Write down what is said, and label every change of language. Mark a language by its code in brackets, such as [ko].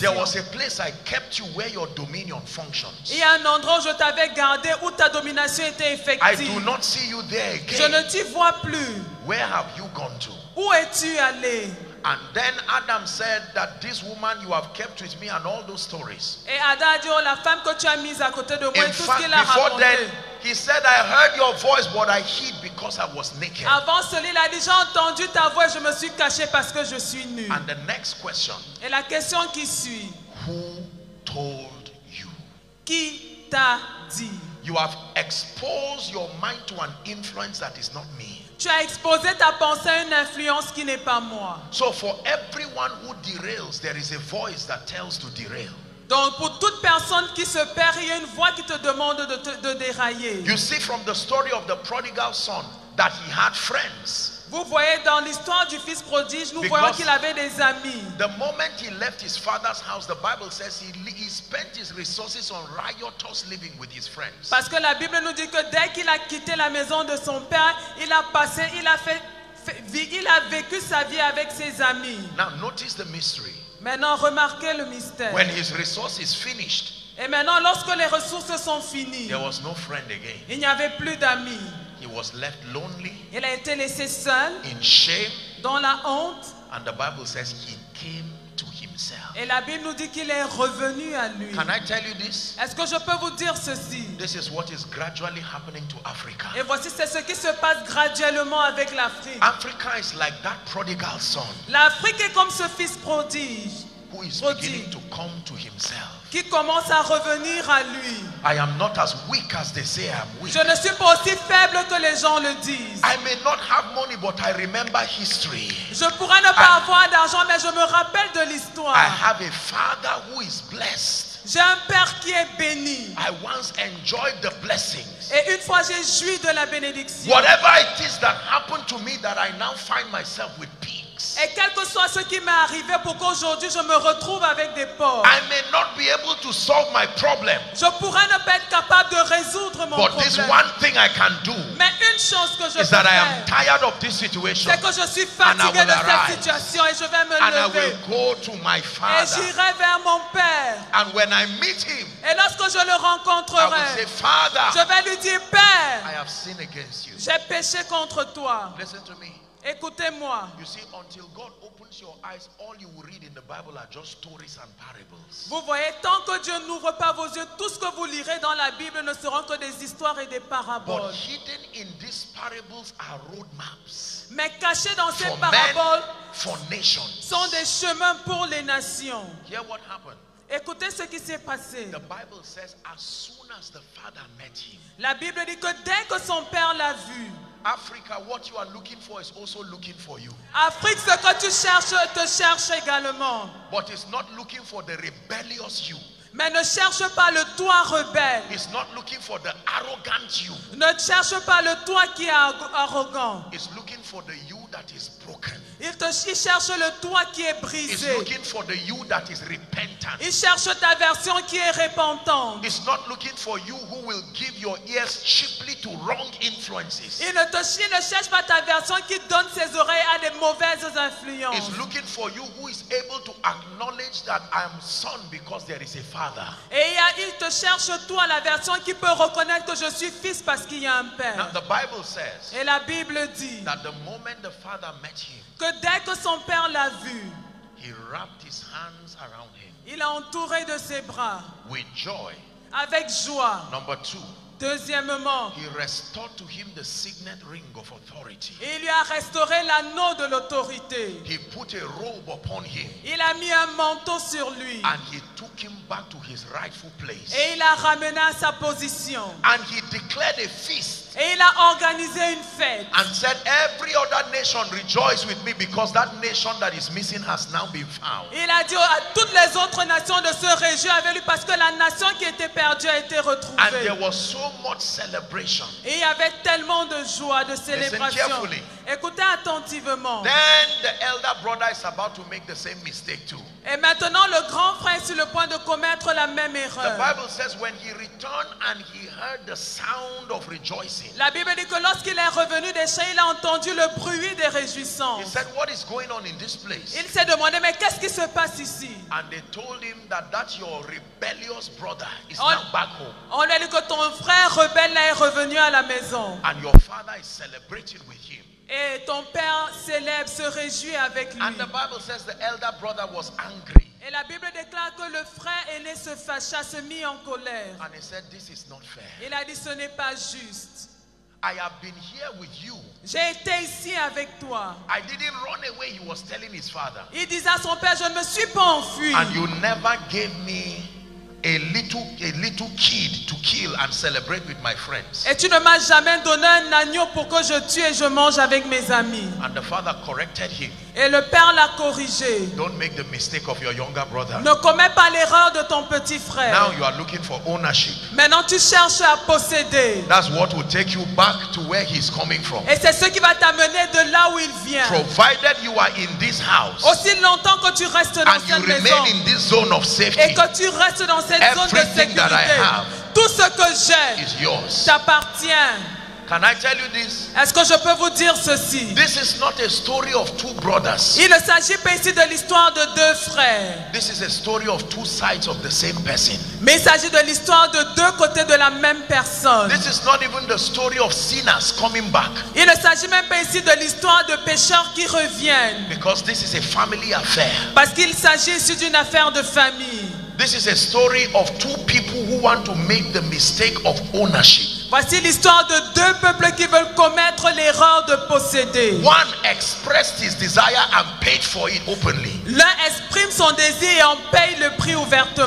[en] There was a place I kept you where your dominion functions. [fr] Il y a un endroit où je t'avais gardé où ta domination était effective. [en] I do not see you there again. [fr] Je ne t'y vois plus. [en] Where have you gone to? [fr] Où es-tu allé? [en] And then Adam said that this woman you have kept with me and all those stories. [fr] Et Adam a dit, oh, la femme que tu as mise à côté de moi, [en] in [fr] tout [en] fact, [fr] ce qu'il a [en] before [fr] raconté. [en] Then, he said, I heard your voice, but I hid because I was naked. [fr] Avant cela, il a dit, j'ai entendu ta voix, je me suis caché parce que je suis nu. [en] And the next question. [fr] Et la question qui suit. [en] Who told you? [fr] Qui t'a dit? [en] You have exposed your mind to an influence that is not me. [fr] Tu as exposé ta pensée à une influence qui n'est pas moi. [en] So for everyone who derails, there is a voice that tells to derail. [fr] Donc pour toute personne qui se perd, il y a une voix qui te demande de dérailler. [en] You see from the story of the prodigal son that he had friends. [fr] Vous voyez dans l'histoire du fils prodige, nous [en] because [fr] voyons qu'il avait des amis. [en] The moment he left his father's house, the Bible says he spent his resources on riotous living with his friends. [fr] Parce que la Bible nous dit que dès qu'il a quitté la maison de son père, il a vécu sa vie avec ses amis. [en] Now notice the mystery. [fr] Maintenant remarquez le mystère. [en] When his resource is finished. [fr] Et maintenant lorsque les ressources sont finies. [en] There was no friend again. [fr] Il n'y avait plus d'amis. [en] He was left lonely. [fr] Il a été laissé seul. [en] In shame. [fr] Dans la honte. [en] And the Bible says he came to himself. [fr] Et la Bible nous dit qu'il est revenu à lui. [en] Can I tell you this? [fr] Est-ce que je peux vous dire ceci? [en] This is what is gradually happening to Africa. [fr] Et voici c'est ce qui se passe graduellement avec l'Afrique. [en] Africa is like that prodigal son. [fr] L'Afrique est comme ce fils prodige. [en] Who is beginning to come to himself. [fr] Qui commence à revenir à lui. [en] I am not as weak as they say I am weak. [fr] Je ne suis pas aussi faible que les gens le disent. [en] I may not have money, but I remember history. [fr] Je pourrais ne pas avoir d'argent, mais je me rappelle de l'histoire. [en] I have a father who is blessed. [fr] J'ai un père qui est béni. [en] I once enjoyed the blessings. [fr] Et une fois j'ai joui de la bénédiction. [en] Whatever it is that happened to me that I now find myself with pigs. [fr] Et quel que soit ce qui m'est arrivé pour qu'aujourd'hui je me retrouve avec des peurs. [en] I may not be able to solve my problem. [fr] Je pourrais ne pas être capable de résoudre mon problème. [en] But this one thing I can do. [fr] Mais une chose que je peux faire. [en] Is that I am tired of this situation. [fr] C'est que je suis fatigué de cette situation et je vais me lever. [en] And I will go to my father. [fr] Et j'irai vers mon père. [en] And when I meet him. [fr] Et lorsque je le rencontrerai. [en] I will say, Father. [fr] Je vais lui dire, Père. [en] I have sinned against you. [fr] J'ai péché contre toi. [en] Listen to me. [fr] Écoutez-moi. [en] You see, until God opens your eyes, all you will read in the Bible are just stories and parables. [fr] Vous voyez, tant que Dieu n'ouvre pas vos yeux, tout ce que vous lirez dans la Bible ne seront que des histoires et des paraboles. [en] But hidden in these parables are roadmaps. [fr] Mais cachés dans ces paraboles, [en] men, for nations, [fr] sont des chemins pour les nations. [en] Hear what happened. [fr] Écoutez ce qui s'est passé. [en] The Bible says, as soon as the father met him. [fr] La Bible dit que dès que son père l'a vu. [en] Africa, what you are looking for is also looking for you. [fr] Afrique, ce que tu cherches te cherche également. [en] But it's not looking for the rebellious you. [fr] Mais ne cherche pas le toi rebelle. [en] It's not looking for the arrogant you. [fr] Ne cherche pas le toi qui est arrogant. [en] It's looking for the you that is broken. [fr] Il cherche le toi qui est brisé. [en] It's looking for the you that is repentant. [fr] Il cherche ta version qui est repentante. [en] It's not looking for you who will give your ears cheaply to wrong influences. [fr] Il ne cherche pas ta version qui donne ses oreilles à des mauvaises influences. [en] It's looking for you who is able to acknowledge that I am son because there is a father. [fr] Et il te cherche toi la version qui peut reconnaître que je suis fils parce qu'il y a un père. [en] Now, the Bible says. [fr] Et la Bible dit. [en] That the moment the father met him. [fr] Que dès que son père l'a vu, [en] he wrapped his hands around him. [fr] Il l'a entouré de ses bras. [en] With joy. [fr] Avec joie. [en] Number two. [fr] Deuxièmement. [en] He restored to him the signet ring of authority. [fr] Il lui a restauré l'anneau de l'autorité. [en] He put a robe upon him. [fr] Il a mis un manteau sur lui. [en] And he took him back to his rightful place. [fr] Et il l'a ramené à sa position. [en] And he declared a feast. [fr] Et il a organisé une fête. [en] And said, every other nation rejoice with me because that nation that is missing has now been found. [fr] Il a dit à toutes les autres nations de se réjouir avec lui parce que la nation qui était perdue a été retrouvée. [en] And there was so much celebration. [fr] Et il y avait tellement de joie, de célébration. [en] Listen carefully. [fr] Écoutez attentivement. [en] Then the elder brother is about to make the same mistake too. [fr] Et maintenant le grand frère est sur le point de commettre la même erreur. [en] The Bible says when he returned and he heard the sound of rejoicing. [fr] La Bible dit que lorsqu'il est revenu des champs, il a entendu le bruit des réjouissances. [en] He said, what is going on in this place? [fr] Il s'est demandé mais qu'est-ce qui se passe ici? [en] And they told him that your rebellious brother is now back home. [fr] On lui a dit que ton frère rebelle est revenu à la maison. [en] And your father is celebrating with him. [fr] Et ton père célèbre, se réjouit avec lui. [en] And the Bible says the elder brother was angry. [fr] Et la Bible déclare que le frère aîné se fâcha, se mit en colère. [en] And he said, this is not fair. [fr] Il a dit, ce n'est pas juste. [en] I have been here with you. [fr] J'ai été ici avec toi. [en] I didn't run away, he was telling his father. [fr] Il disait à son père, je ne me suis pas enfui. [en] And you never gave me a little kid to kill and celebrate with my friends. [fr] Et tu ne m'as jamais donné un agneau pour que je tue et je mange avec mes amis. [en] And the father corrected him. [fr] Et le père l'a corrigé. [en] Don't make the mistake of your younger brother. [fr] Ne commets pas l'erreur de ton petit frère. [en] Now you are looking for ownership. [fr] Maintenant tu cherches à posséder. [en] That's what will take you back to where he's coming from. [fr] Et c'est ce qui va t'amener de là où il vient. [en] Provided you are in this house. [fr] Aussi longtemps que tu restes dans cette maison. [en] And you remain in this zone of safety. [fr] Et que tu restes dans cette [en] everything [fr] zone de sécurité. [en] That I have [fr] tout ce que j'ai [en] is yours. [fr] T'appartient. [en] Can I tell you this? [fr] Est-ce que je peux vous dire ceci? [en] This is not a story of two brothers. [fr] Il ne s'agit pas ici de l'histoire de deux frères. [en] This is a story of two sides of the same person. [fr] Mais il s'agit de l'histoire de deux côtés de la même personne. [en] This is not even the story of sinners coming back. [fr] Il ne s'agit même pas ici de l'histoire de pécheurs qui reviennent. [en] Because this is a family affair. [fr] Parce qu'il s'agit ici d'une affaire de famille. [en] This is a story of two people who want to make the mistake of ownership. [fr] Voici l'histoire de deux peuples qui veulent commettre l'erreur de posséder. [en] One expressed his desire and paid for it openly. [fr] L'un exprime son désir et en paye le prix ouvertement.